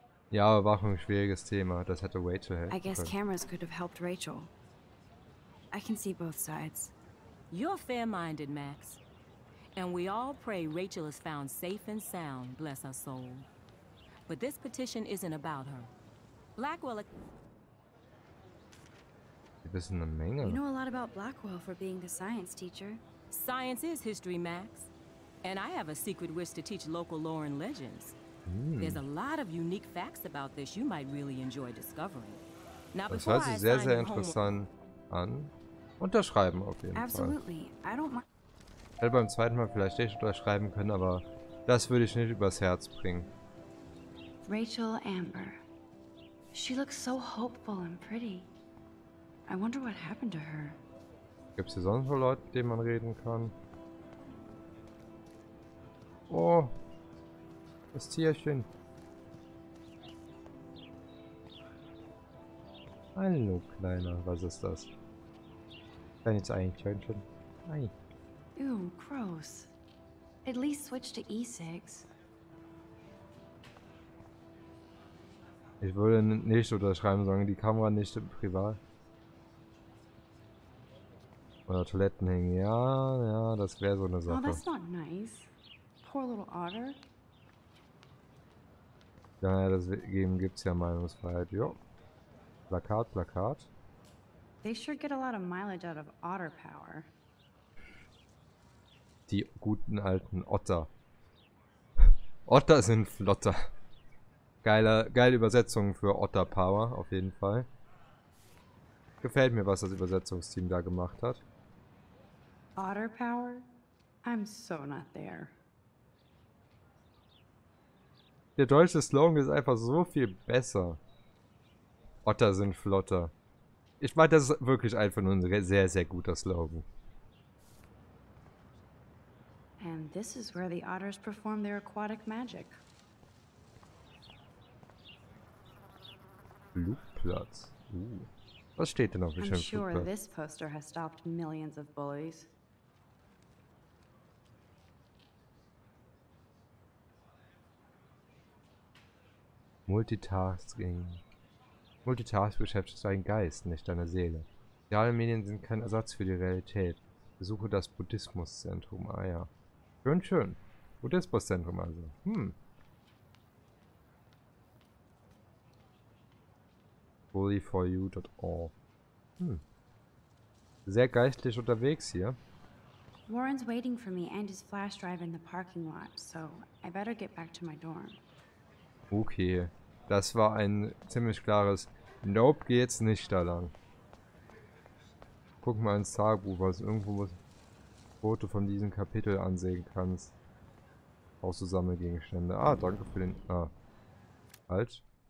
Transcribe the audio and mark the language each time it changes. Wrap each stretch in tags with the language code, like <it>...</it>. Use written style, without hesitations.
<de>Ja, Überwachung, schwieriges Thema. Das hätte Rachel helfen können.</de> <en>I guess cameras could have helped Rachel. I can see both sides. You're fair-minded, Max. And we all pray Rachel is found safe and sound, bless her soul. But this petition isn't about her. Blackwell.</en> <de>Wir wissen eine Menge.</de> <en>You know a lot about Blackwell for being the science teacher. Science is history, Max. And I have a secret wish to teach local lore and legends. There's a lot of unique facts about this you might really enjoy discovering.</en> <de>Now, das hört sich sehr, sehr interessant an. Unterschreiben auf jeden</de> <en>Absolutely.</en> <de>Fall.</de> <en>I don't mind.</en> <de>Hätte beim zweiten Mal vielleicht nicht unterschreiben können, aber das würde ich nicht übers Herz bringen. Rachel Amber. She looks so hopeful and pretty. I wonder what happened to her. Gibt es hier sonst noch Leute, mit denen man reden kann? Oh, das Tierchen. Hallo, Kleiner, was ist das? Kleines Eichhörnchen. Ei.</de> <en>Ew, gross. At least switch to E6.</en> <de>Ich würde nicht unterschreiben, sagen die Kamera nicht im Privat. Oder Toiletten hängen. Ja, das wäre so eine</de> <en>Oh,</en> <de>Sache.</de> <en>that's not nice. Poor little otter.</en> <de>Ja, deswegen gibt es ja Meinungsfreiheit. Jo. Plakat, Plakat.</de> <en>They sure get a lot of mileage out of otter power.</en> <de>Die guten alten Otter. Otter sind flotter. Geile Übersetzung für Otter Power, auf jeden Fall. Gefällt mir, was das Übersetzungsteam da gemacht hat.</de> <en>Otter power? I'm so not there.</en> <de>Der deutsche Slogan ist einfach so viel besser. Otter sind flotter. Ich meine, das ist wirklich einfach nur ein sehr, sehr guter Slogan.</de> <en>And this is where the otters perform their aquatic magic.</en> <de>Flugplatz. Was steht denn auf dem Schirm?</de> <en>I'm sure this poster has stopped millions of bullies.</en> <de>Multitasking. Multitasking beschäftigt deinen Geist, nicht deine Seele. Soziale Medien sind kein Ersatz für die Realität. Besuche das Buddhismuszentrum. Ah ja. Schön, schön. Buddhismuszentrum also.</de> <en>Bullyforyou.org.</en> <de>Sehr geistlich unterwegs hier.</de> <en>Warren's waiting for me and his flash drive in the parking lot, so I better get back to my dorm. Okay.</en> <de>Das war ein ziemlich klares Nope, geh jetzt nicht da lang. Guck mal ins Tagebuch, was irgendwo ein Foto von diesem Kapitel ansehen kannst. Auch so Sammelgegenstände. Ah, danke für den. Ah. Halt.</de>